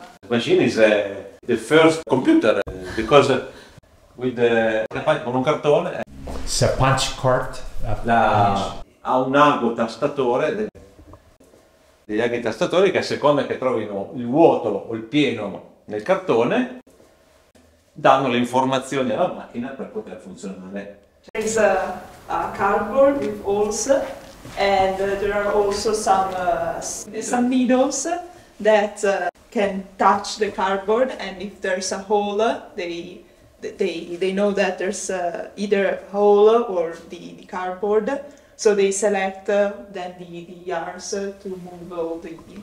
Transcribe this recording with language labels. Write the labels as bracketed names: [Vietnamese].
[English] Machine is the first computer because with [Italian] un cartone. [English] It's a punch card. [Italian] Ha un ago tastatore, degli aghi tastatori che a seconda che trovino il vuoto o il pieno nel cartone danno le informazioni alla macchina per poter funzionare. [English] There's a cardboard with holes and there are also some needles that can touch the cardboard, and if there's a hole, they know that there's either a hole or the cardboard, so they select then the yarns to move all the...